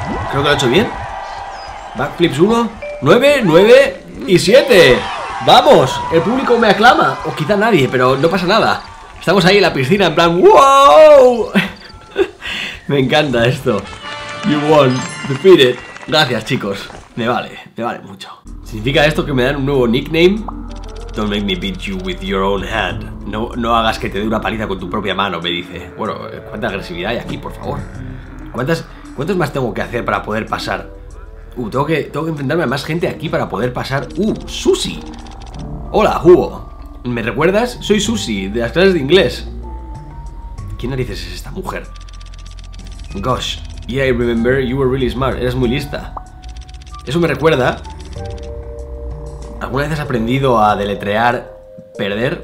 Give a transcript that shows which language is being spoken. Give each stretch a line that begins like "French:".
Spanish: Creo que lo he hecho bien. Backflips 1, 9, 9 y 7. ¡Vamos! El público me aclama. O quizá nadie, pero no pasa nada. Estamos ahí en la piscina en plan ¡wow! Me encanta esto.
English: You won, defeat it.
Spanish: Gracias, chicos. Me vale mucho. ¿Significa esto que me dan un nuevo nickname?
English: Don't make me beat you with your own hand.
Spanish: No, no hagas que te dé una paliza con tu propia mano, me dice. Bueno, ¿cuánta agresividad hay aquí, por favor? ¿Cuántos más tengo que hacer para poder pasar? Tengo que enfrentarme a más gente aquí para poder pasar. Susi. Hola, Hugo. ¿Me recuerdas? Soy Susi, de las clases de inglés. ¿Quién narices es esta mujer?
English: Gosh, yeah, I remember you were really smart.
Spanish: Eres muy lista. Eso me recuerda. ¿Alguna vez has aprendido a deletrear perder?